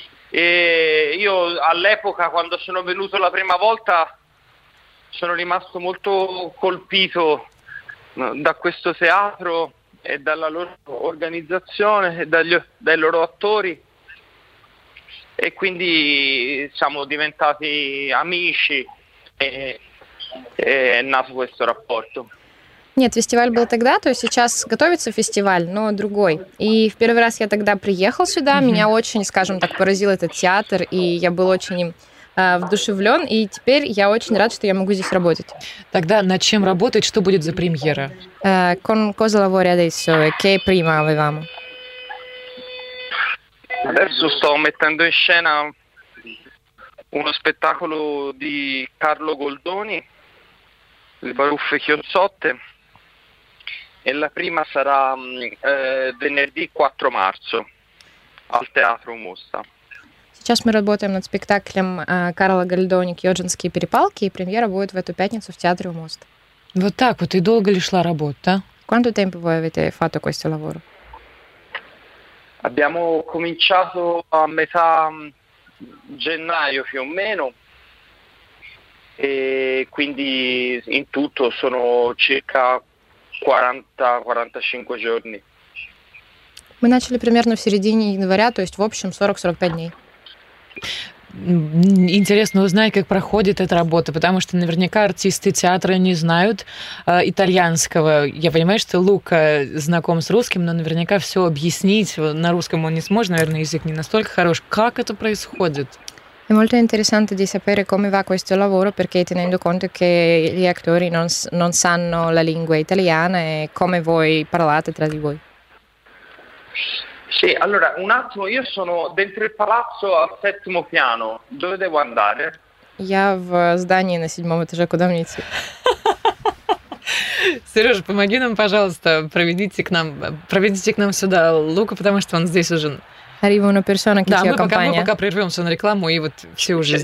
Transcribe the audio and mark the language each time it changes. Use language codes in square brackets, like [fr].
[it] E io all'epoca quando sono venuto la prima volta sono rimasto molto colpito da questo teatro e dalla loro organizzazione e dai loro attori, e quindi siamo diventati amici e è nato questo rapporto. [ru] Нет, фестиваль был тогда, то есть сейчас готовится фестиваль, но другой. И в первый раз я тогда приехал сюда, меня очень, скажем так, поразил этот театр, и я был очень им вдушевлен, и теперь я очень рад, что я могу здесь работать. Тогда над чем работать, что будет за премьера? [it] Con cosa lavori adesso? Che prima avevamo? Adesso sto mettendo in scena uno spettacolo di Carlo Goldoni, Le baruffe chiozzotte, e la prima sarà venerdì 4 marzo. al Teatro Мусса. [ru] Сейчас мы работаем над спектаклем Карла Гальдони «Кьоджинские перепалки», и премьера будет в эту пятницу в Театре Мост. Вот так вот, и долго ли шла работа? [it] Quanto tempo voi avete fatto questo lavoro? Abbiamo cominciato a metà gennaio più o meno, e quindi in tutto sono circa 40-45 giorni. [ru] Мы начали примерно в середине января, то есть в общем 40-45 дней. Интересно узнать, как проходит эта работа, потому что наверняка артисты театра не знают итальянского. Я понимаю, что Лука знаком с русским, но наверняка все объяснить на русском он не сможет, наверное, язык не настолько хорош. Как это происходит? [it] È molto interessante di sapere come va questo lavoro, perché tenendo conto che gli attori non sanno la lingua italiana e come voi parlate tra di voi. Sì, allora, un attimo, io sono dentro il palazzo al settimo piano. Dove devo andare? [ru] Я в здании на седьмом этаже, куда мне идти? Сережа, помоги нам, пожалуйста, проведите к нам сюда Лука, потому что он здесь уже. [it] Arriva una persona che [ru] да, [it] ti accompagna. [ru] Мы пока прервемся на рекламу, и вот все уже...